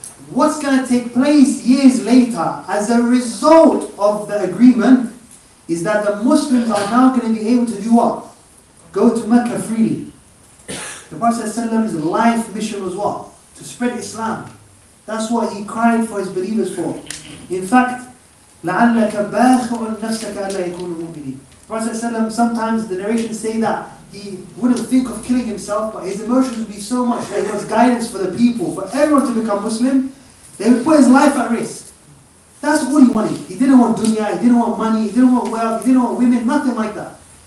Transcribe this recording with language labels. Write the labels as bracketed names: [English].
[English] What's going to take place years later as a result of the agreement is that the Muslims are now going to be able to do what? Go to Mecca freely. The Prophet's life mission was what? To spread Islam. That's what he cried for his believers for. In fact, [Arabic] لَعَلَّكَ بَاخِعُ نَفْسَكَ أَلَّا يَكُونُ مُؤْمِنِينَ. [English] Prophet ﷺ, sometimes the narrations say that he wouldn't think of killing himself, but his emotions would be so much that he was guidance for the people, for everyone to become Muslim, they would put his life at risk. That's all he wanted. He didn't want dunya, he didn't want money, he didn't want wealth, he didn't want women, nothing like that.